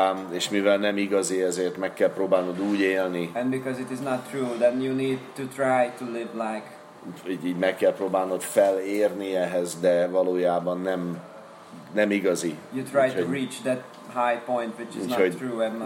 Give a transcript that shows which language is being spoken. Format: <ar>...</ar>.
<hu>És mivel nem igazi, ezért meg kell próbálnod úgy élni.</hu> <en>And because it is not true, then you need to try to live like.</en> <hu>Így meg kell próbálnod felérni ehhez, de valójában nem igazi.</hu> <en>You try to reach that high point, which is not true and not.</en>